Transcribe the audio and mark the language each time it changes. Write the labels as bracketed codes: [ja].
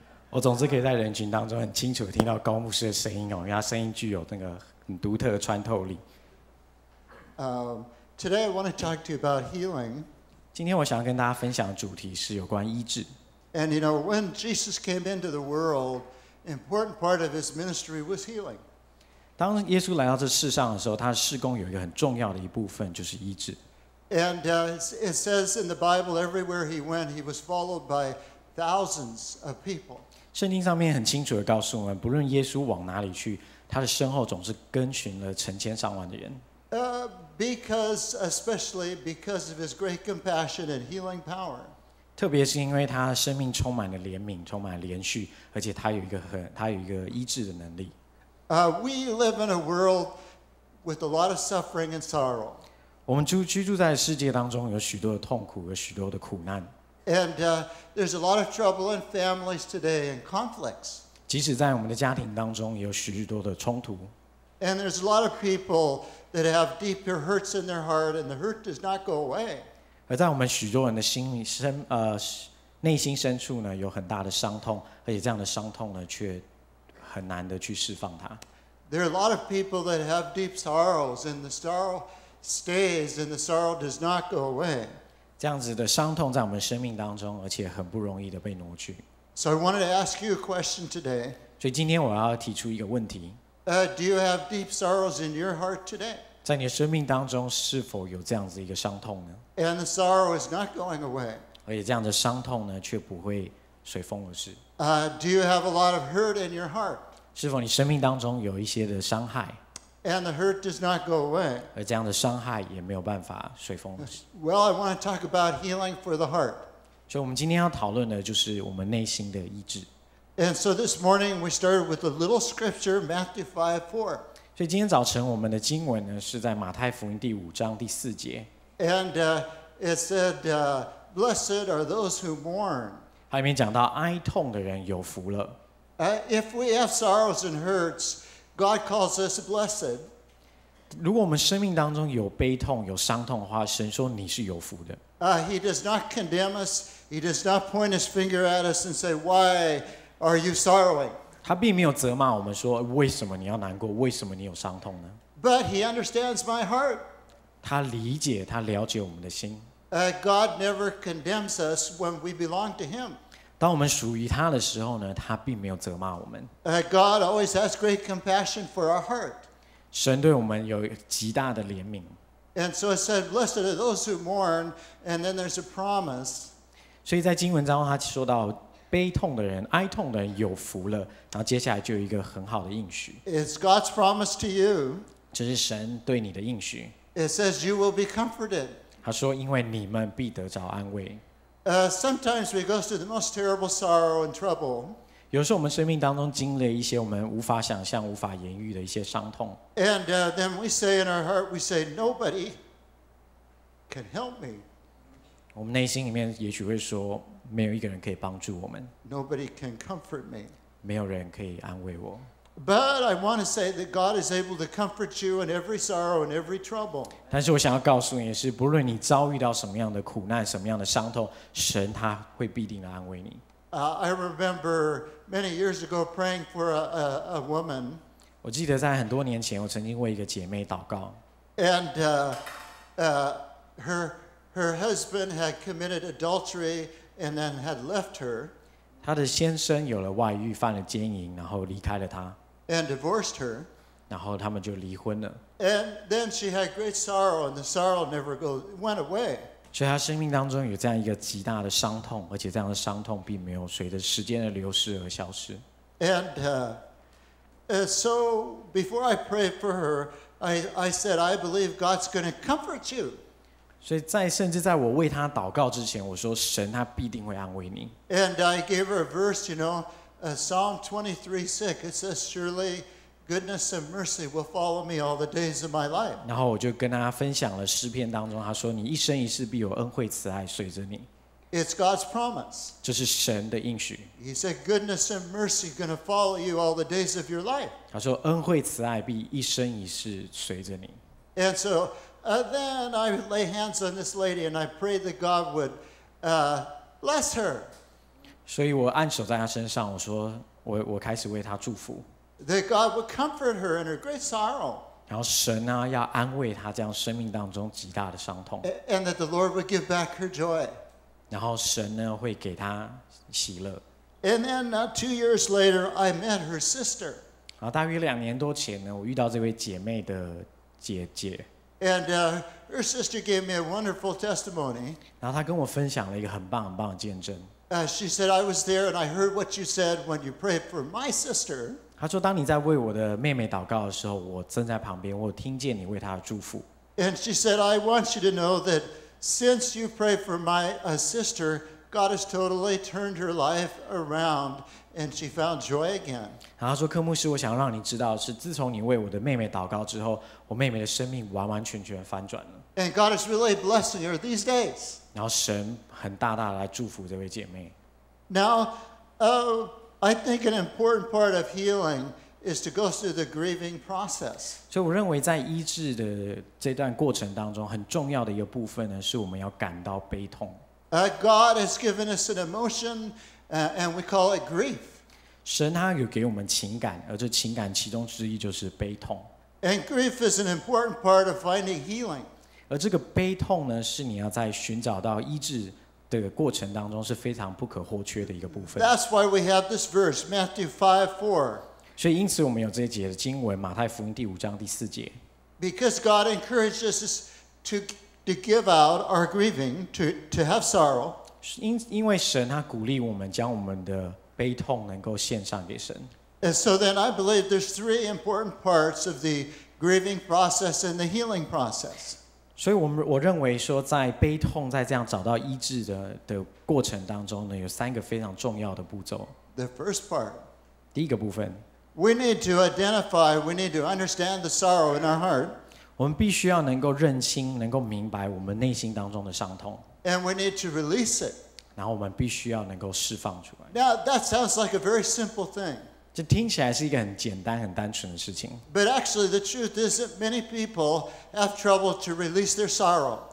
[zh] 我总是可以在人群当中很清楚地听到高牧师的声音哦，因为他声音具有那个很独特的穿透力。 [en] Today I want to talk to you about healing. [zh] 今天我想跟大家分享的主题是有关医治。 [en] And you know, when Jesus came into the world, an important part of his ministry was healing. [zh] 当耶稣来到这世上的时候，他事工有一个很重要的一部分就是医治。 [en] And it says in the Bible, everywhere he went, he was followed by thousands of people. [zh] 圣经上面很清楚地告诉我们，不论耶稣往哪里去，他的身后总是跟循了成千上万的人。 [en] Because, especially because of his great compassion and healing power. [zh] 特别是因为他的生命充满了怜悯，充满了连续，而且他有一个医治的能力。 [en] We live in a world with a lot of suffering and sorrow. [zh] 我们居住在世界当中，有许多的痛苦，有许多的苦难。 [en] And there's a lot of trouble in families today and conflicts. [zh] 即使在我们的家庭当中，也有许多的冲突。 [en] And there's a lot of people that have deeper hurts in their heart, and the hurt does not go away. [zh] 而在我们许多人的心里深内心深处呢，有很大的伤痛，而且这样的伤痛呢，却很难的去释放它。 [en] There are a lot of people that have deep sorrows, and the sorrow stays, and the sorrow does not go away. [zh] 这样子的伤痛在我们生命当中，而且很不容易的被挪去。 [en] So I wanted to ask you a question today. [zh] 所以今天我要提出一个问题。 [en] Do you have deep sorrows in your heart today? [zh] 在你的生命当中是否有这样子一个伤痛呢？ [en] And the sorrow is not going away. [zh] 而且这样的伤痛呢，却不会随风而逝。 [en] Do you have a lot of hurt in your heart? [zh] 是否你生命当中有一些的伤害？ [en] And the hurt does not go away. [zh] 而这样的伤害也没有办法随风而逝。 [en] Well, I want to talk about healing for the heart. [zh] 所以我们今天要讨论的就是我们内心的医治。 [en] And so this morning we started with a little scripture, Matthew 5:4. [zh] 所以今天早晨我们的经文呢是在马太福音第五章第四节。 [en] And it said, "Blessed are those who mourn." [zh] 它里面讲到哀痛的人有福了。 [en] If we have sorrows and hurts, God calls us blessed. [zh] 如果我们生命当中有悲痛、有伤痛的话，神说你是有福的。 [en] He does not condemn us. He does not point his finger at us and say, "Why?" Are you sorrowing? [zh] 他并没有责骂我们说为什么你要难过，为什么你有伤痛呢？ [en] But he understands my heart. [zh] 他理解，他了解我们的心。 [en] God never condemns us when we belong to him. [zh] 当我们属于他的时候呢，他并没有责骂我们。 [en] God always has great compassion for our heart. [zh] 神对我们有极大的怜悯。 [en] And so it said, "Blessed are those who mourn," and then there's a promise. [zh] 所以在经文当中，他说到。悲痛的人、哀痛的人有福了，然后接下来就有一个很好的应许。 [en] It's God's promise to you. [zh] 这是神对你的应许。 [en] It says you will be comforted. [zh] 他说，因为你们必得着安慰。 [en] Sometimes we go through the most terrible sorrow and trouble. [zh] 有时候我们生命当中经历一些我们无法想象、无法言喻的一些伤痛。 [en] And then we say in our heart, we say, "Nobody can help me." [zh] 我们内心里面也许会说。没有一个人可以帮助我们。 [en] Nobody can comfort me. [zh] 没有人可以安慰我。 [en] But I want to say that God is able to comfort you in every sorrow and every trouble. [zh] 但是我想要告诉你的是，不论你遭遇到什么样的苦难、什么样的伤痛，神他会必定的安慰你。 [en] I remember many years ago praying for a woman. [zh] 我记得在很多年前，我曾经为一个姐妹祷告。 [en] And her husband had committed adultery. And then had left her. [zh] 她的先生有了外遇，犯了奸淫，然后离开了她。 [en] And divorced her. [zh] 然后他们就离婚了。 [en] And then she had great sorrow, and the sorrow never went away. [zh] 所以她生命当中有这样一个极大的伤痛，而且这样的伤痛并没有随着时间的流逝而消失。 [en] And so before I prayed for her, I said, "I believe God's going to comfort you." [zh] 所以在甚至在我为他祷告之前，我说神他必定会安慰你。 [en] And I gave her a verse, you know, Psalm 23:6. It says, "Surely goodness and mercy will follow me all the days of my life." [zh] 然后我就跟他分享了诗篇当中，他说：“你一生一世必有恩惠慈爱随着你。” [en] It's God's promise. [zh] 这是神的应许。 [en] He said, "Goodness and mercy going to follow you all the days of your life." [zh] 他说：“恩惠慈爱必一生一世随着你。” [en] And so. Then I lay hands on this lady and I prayed that God would bless her. [zh] 所以我按手在她身上，我说我开始为她祝福。 [en] That God would comfort her in her great sorrow. [zh] 然后神啊要安慰她这样生命当中极大的伤痛。 [en] And that the Lord would give back her joy. [zh] 然后神呢会给她喜乐。 [en] And then not 2 years later, I met her sister. [zh] 然后大约两年多前呢，我遇到这位姐妹的姐姐。 [en] And her sister gave me a wonderful testimony. [zh] 然后她跟我分享了一个很棒很棒的见证。 [en] She said, I was there and I heard what you said when you prayed for my sister. [zh] 她说当你在为我的妹妹祷告的时候，我正在旁边，我有听见你为她的祝福。 [en] And she said, I want you to know that since you prayed for my sister, God has totally turned her life around and she found joy again. [zh] 然后她说柯牧师，我想让你知道，是自从你为我的妹妹祷告之后，我妹妹的生命完完全全翻转了。 [en] And God is really blessing her these days. [zh] 然后神很大大的来祝福这位姐妹。 [en] Now, I think an important part of healing is to go through the grieving process. [zh] 所以我认为在医治的这段过程当中，很重要的一个部分呢，是我们要感到悲痛。 [en] God has given us an emotion, and we call it grief. [zh] 神他有给我们情感，而这情感其中之一就是悲痛。 [en] And grief is an important part of finding healing. [zh] 而这个悲痛呢，是你要在寻找到医治的过程当中是非常不可或缺的一个部分。 [en] That's why we have this verse, Matthew 5:4. [zh] 所以因此我们有这一节的经文，马太福音第五章第四节。 [en] Because God encourages us to give out our grieving, to have sorrow. [zh] 因为神他鼓励我们将我们的悲痛能够献上给神。 [en] And so then I believe there's three important parts of the grieving process and the healing process. [zh] 所以我认为说在悲痛在这样找到医治 的过程当中呢，有三个非常重要的步骤。 [en] The first part, [zh] 第一个部分， [en] We need to identify, we need to understand the sorrow in our heart. [zh] 我们必须要能够认清，能够明白我们内心当中的伤痛。 [en] And we need to release it. [zh] 然后我们必须要能够释放出来。 [en] Now that sounds like a very simple thing. [zh] 这听起来是一个很简单很单纯的事情。 [en] But actually the truth is that many people have trouble to release their sorrow.